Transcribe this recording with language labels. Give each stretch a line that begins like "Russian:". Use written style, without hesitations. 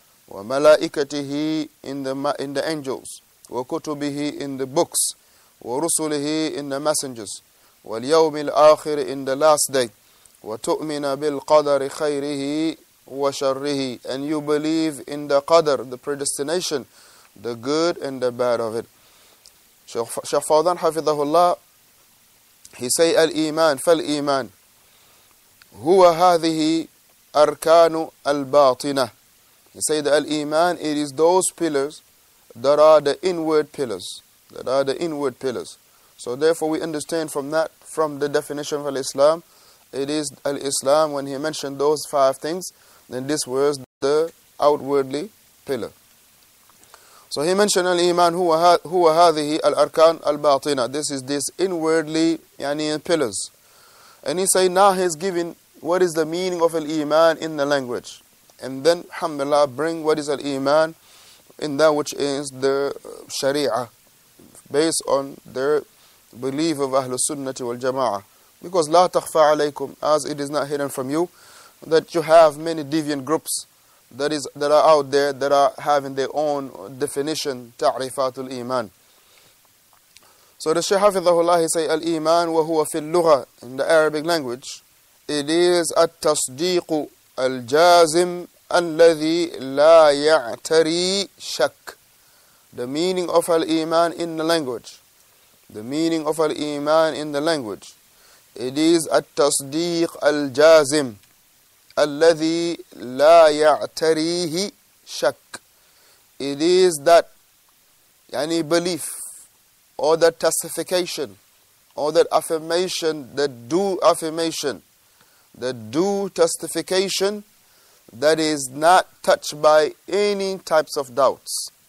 Arabic: وملائكته
English: in the angels,
Arabic: وكتبه
English: in the books,
Arabic: ورسله
English: in the messengers,
Arabic: واليوم الآخر
English: in the last day,
Arabic: وتؤمن بالقدر خيره وشره,
English: and you believe in the qadr, the predestination, the good and the bad of it.
Arabic: Shaykh Fawzan حفظه الله,
English: he say
Arabic: الإيمان, فالإيمان هو هذه أركان الباطنة.
English: He said that al-Iman, it is those pillars that are the inward pillars. That are the inward pillars. So therefore we understand from that, from the definition of al-Islam, it is al-Islam, when he mentioned those five things, then this was the outwardly pillar. So he mentioned al-Iman,
Arabic: huwa hadhihi al-arkan al-batina.
English: This is this inwardly,
Arabic: yani
English: pillars. And he said, now he's given what is the meaning of al-Iman in the language. And then, alhamdulillah, bring what is al-Iman in that which is the Sharia, based on the belief of Ahlul Sunnah wal Jama'ah. Because,
Arabic: لا تخفى عليكم,
English: as it is not hidden from you, that you have many deviant groups that is that are out there that are having their own definition,
Arabic: تعريفات الإيمان.
English: So the Shaykh
Arabic: حفظه الله
English: say
Arabic: الإيمان وهو في اللغة
English: in the Arabic language it is
Arabic: التصديق الجازم الذي لا يعتري شك.
English: The meaning of الإيمان in the language. The meaning of الإيمان in the language. It is
Arabic: التصديق الجازم الذي لا يعتريه شك.
English: It is that
Arabic: يعني
English: belief or that testification or that affirmation, that due affirmation, the due testification that is not touched by any types of doubts.